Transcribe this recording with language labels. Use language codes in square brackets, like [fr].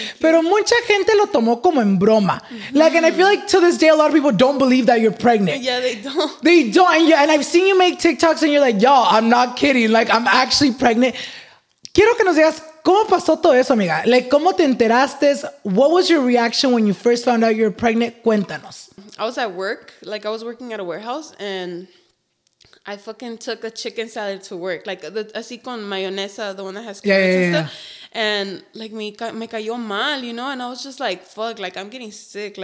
[es] Pero mucha gente lo tomó como en broma. [en] Like, and I feel like to this day, a lot of people don't believe that you're pregnant. Yeah, they don't. They don't. And I've seen you make TikToks and you're like, y'all, I'm not kidding. Like, I'm actually pregnant. [es] Quiero que nos digas, ¿cómo pasó todo eso, amiga? [en] Like, [es] ¿cómo te enteraste? [en] What was your reaction when you first found out you were pregnant? [es] Cuéntanos. [en] I was at work. Like, I was working at a warehouse, and I fucking took a chicken salad to work. Like, [es] así con mayonesa, [en] the one that has carrots stuff. And, like, [es] me cayó mal, [en] you know? And I was just like, fuck, like, I'm getting sick.